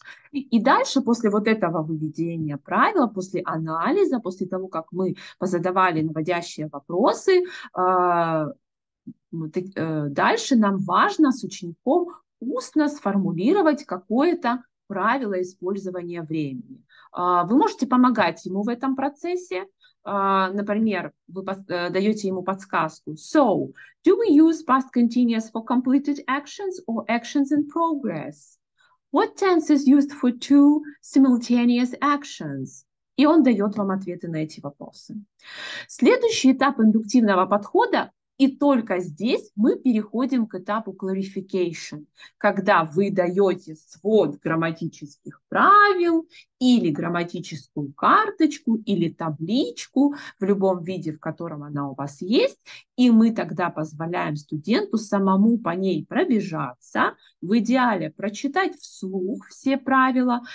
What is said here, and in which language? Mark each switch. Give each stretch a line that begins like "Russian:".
Russian: И дальше, после вот этого выведения правила, после анализа, после того, как мы позадавали наводящие вопросы, дальше нам важно с учеником устно сформулировать какое-то правило использования времени. Вы можете помогать ему в этом процессе. Например, вы даете ему подсказку.
English: So, do we use past continuous for completed actions or actions in progress? What tense is used for two simultaneous actions?
Russian: И он дает вам ответы на эти вопросы. Следующий этап индуктивного подхода, и только здесь мы переходим к этапу clarification, когда вы даете свод грамматических правил или грамматическую карточку или табличку в любом виде, в котором она у вас есть, и мы тогда позволяем студенту самому по ней пробежаться, в идеале прочитать вслух все правила.